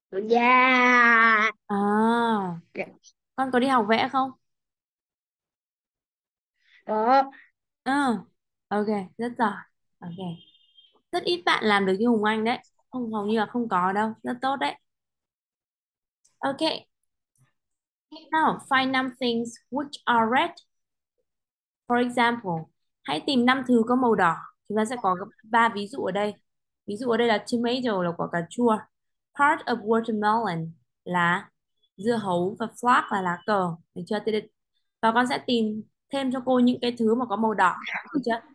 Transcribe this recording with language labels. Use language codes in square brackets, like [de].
[vi] Yeah. À, con có đi học vẽ không? Đó. À, ok, rất giỏi. Ok. Rất ít bạn làm được như Hùng Anh đấy. Không, hầu như là không có đâu. Rất tốt đấy. Ok. [en] Now, find some things which are red. For example, [vi] hãy tìm 5 thứ có màu đỏ. Chúng ta sẽ có 3 ví dụ ở đây. Ví dụ ở đây là tomato là quả cà chua. [en] Part of watermelon [vi] là dưa hấu và flag là lá cờ. Được chưa? Và con sẽ tìm thêm cho cô những cái thứ mà có màu đỏ. Được chưa?